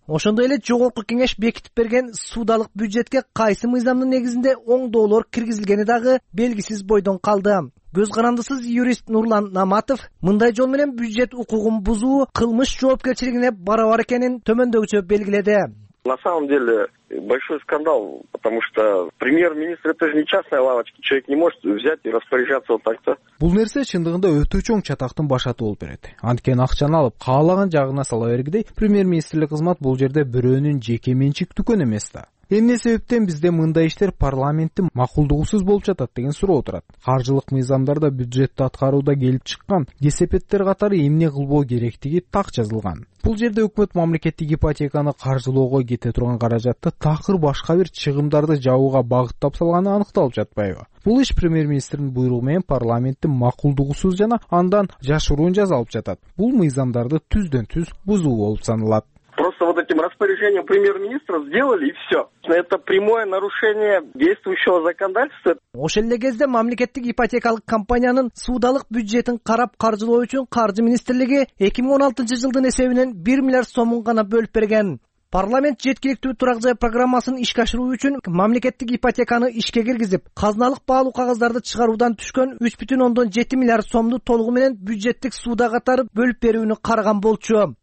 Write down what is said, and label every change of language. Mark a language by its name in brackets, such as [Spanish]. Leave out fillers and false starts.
[Kyrgyz] Ошондой эле жогорку кеңеш бекитип берген суудалык бюджетке кайсы мыйзамдын негизинде оңдоолор киргизилгени дагы белгисиз бойдон калды. Көз карандысыз юрист Нурлан Наматов мындай жол менен бюджет укугун бузуу кылмыш жоопкерчилигине барабар экенин төмөндөгүчө белгиледи. [Russian] На самом деле большой скандал, потому что премьер-министр это же не частная лавочка, человек не может взять и распоряжаться вот так-то. [Kyrgyz] Бул нерсе чындыгында өтө чоң чатактын башаты болуп берет. Анткени акчаны алып каалаган жагына сала бергидей, премьер-министрлик кызмат бул жерде бирөөнүн жеке менчик дүкөн эмес да. Эмне себептен бизде мындай иштер парламенттин макулдугусуз болуп жатат деген суроо турат. Каржылык мыйзамдар да бюджетти аткарууда келип чыккан кесепеттер катары эмне кылбоо керектиги так жазылган. Бул жерде өкмөт мамлекеттик ипотеканы каржылоого кете турган каражатты такыр башка бир чыгымдарды жабууга багыттап салганы аныкталып жатпайбы? Бул иш премьер-министрдин буйругу менен парламенттин макулдугусуз жана андан жашыруун жазалып жатат. Бул мыйзамдарды түздөн түз бузуу болуп саналат. [Russian] Просто вот этим распоряжением премьер-министра сделали и все. Это прямое нарушение действующего законодательства. [Kyrgyz] Ошол эле кезде мамлекеттик ипотекалык компаниянын суудалык бюджетин карап каржылоо үчүн каржы министрлиги 2016 жылдын эсебинен 1 миллиард сомун гана бөлүп берген. Парламент жеткиликтүү турак жай программасын ишке ашыруу үчүн мамлекеттик ипотеканы ишке киргизип, казыналык баалуу кагаздарды чыгаруудан түшкөн 3,7 миллиард сомду толугу менен бюджеттик сууда катары бөлүп берүүнү караган болчу.